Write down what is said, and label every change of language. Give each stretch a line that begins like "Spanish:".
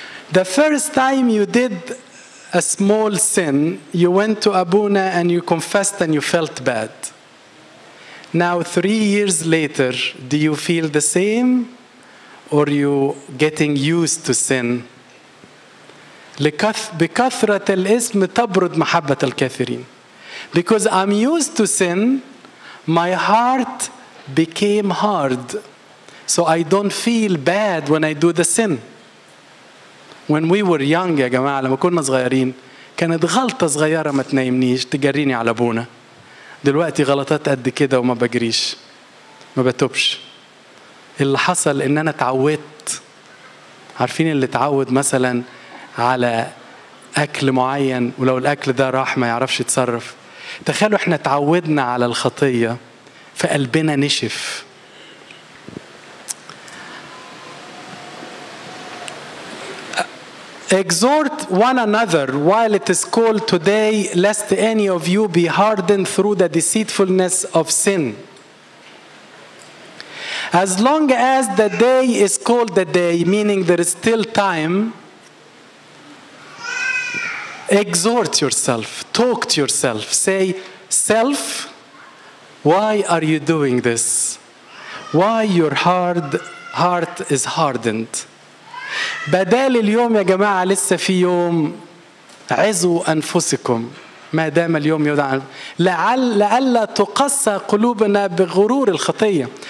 English: The first time you did a small sin, you went to Abuna and you confessed and you felt bad. Now, 3 years later, do you feel the same? Or are you getting used to sin?
Arabic: بكثرة الاسم تبرد محبة الكثيرين.
English: Because I'm used to sin, my heart became hard. So I don't feel bad when I do the sin. When we were young,
Arabic: يا جماعة, لما كنا صغيرين, كانت غلطة صغيرة ما تنايمنيش, تجريني على أبونا. دلوقتي غلطات قد كده وما بجريش. ما بتوبش. اللي حصل إن أنا تعودت. عارفين اللي تعود مثلا على أكل معين, ولو الأكل ده راح ما يعرفش يتصرف. تخيلوا إحنا تعودنا على الخطية, فقلبنا نشف.
English: Exhort one another while it is called today, lest any of you be hardened through the deceitfulness of sin. As long as the day is called the day, meaning there is still time, exhort yourself, talk to yourself, say, self, why are you doing this? Why your heart is hardened?
Arabic: بدال اليوم يا جماعة لسه في يوم, عزوا أنفسكم ما دام اليوم يدعى, لعل تقسى قلوبنا بغرور الخطية.